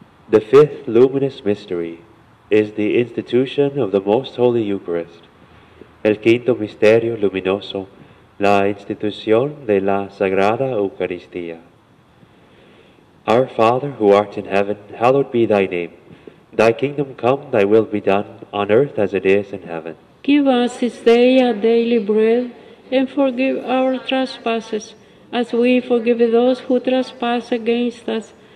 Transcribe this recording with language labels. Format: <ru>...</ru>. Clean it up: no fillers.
<en>The fifth luminous mystery is the institution of the Most Holy Eucharist.</en> <es>El quinto misterio luminoso, la institución de la Sagrada Eucaristía.</es> <en>Our Father, who art in heaven, hallowed be thy name. Thy kingdom come, thy will be done, on earth as it is in heaven. Give us this day our daily bread, and forgive our trespasses, as we forgive those who trespass against us.</en>